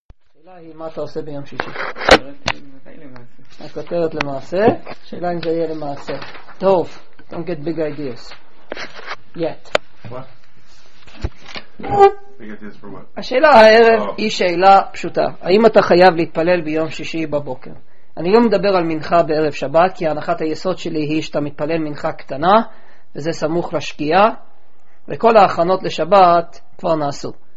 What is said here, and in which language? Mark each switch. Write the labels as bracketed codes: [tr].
[he] השאלה היא מה אתה עושה ביום שישי. הכותרת למעשה, השאלה אם זה יהיה למעשה. [en] טוב, don't get big ideas. Yet. [he] השאלה הערב היא שאלה פשוטה. האם אתה חייב להתפלל ביום שישי בבוקר? אני לא מדבר על מנחה בערב שבת, כי הנחת היסוד שלי היא שאתה מתפלל מנחה קטנה, וזה סמוך לשקיעה, וכל ההכנות לשבת כבר נעשו.